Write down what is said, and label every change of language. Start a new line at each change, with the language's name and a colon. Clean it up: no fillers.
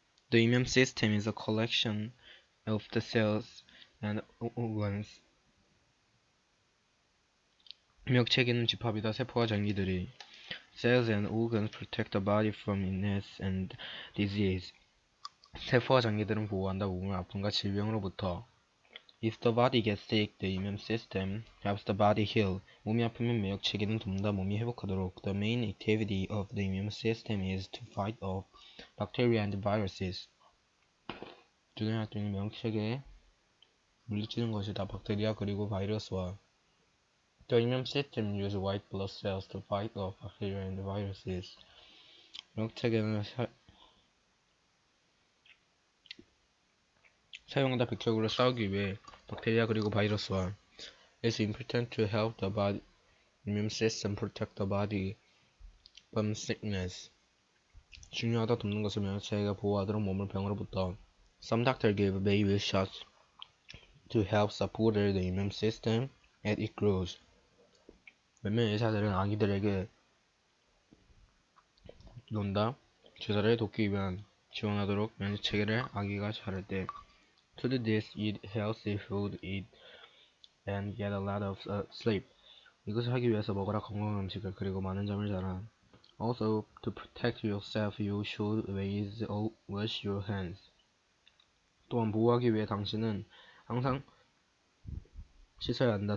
English: The immune system is a collection of the cells and organs.
Korean: 면역 체계는 집합이다. 세포와 장기들이.
English: Cells and organs protect the body from illness and disease.
Korean: 세포와 장기들은 보호한다. 몸을 아픔과 질병으로부터.
English: If the body gets sick, the immune system helps the body heal.
Korean: 몸이 아프면 면역 체계는 돕는다. 몸이 회복하도록.
English: The main activity of the immune system is to fight off bacteria and viruses.
Korean: 주된 활동이 면역 체계에 물리치는 것이다. 박테리아 그리고 바이러스와.
English: The immune system uses white blood cells to fight off bacteria and viruses.
Korean: 면역 체계는 사용한다. 백혈구를 싸우기 위해 박테리아 그리고 바이러스와.
English: It's important to help the body immune system protect the body from sickness.
Korean: 중요하다. 돕는 것은 면역 체계가 보호하도록 몸을 병으로부터.
English: Some doctors give baby shots to help support the immune system as it grows.
Korean: 몇몇 의사들은 아기들에게 논다. 주사를 돕기 위한 지원하도록 면역 체계를 아기가 자랄 때.
English: To do this, eat healthy food, eat and get a lot of sleep.
Korean: 이것을 하기 위해서 먹어라 건강한 음식을 그리고 많은 잠을 자라.
English: Also, to protect yourself, you should always wash your hands.
Korean: 또한 보호하기 위해 당신은 항상 씻어야 한다.